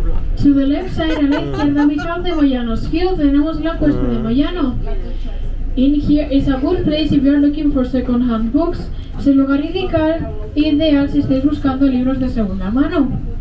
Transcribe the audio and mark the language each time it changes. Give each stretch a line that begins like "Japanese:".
Spanish: blanco.
English: To the left side,
Spanish: a la izquierda, Michal de Moyano's Hill, tenemos la cuesta de Moyano.
English: In here is a good place if you are looking for second hand books.
Spanish: Es el lugar ideal, si estáis buscando libros de segunda mano.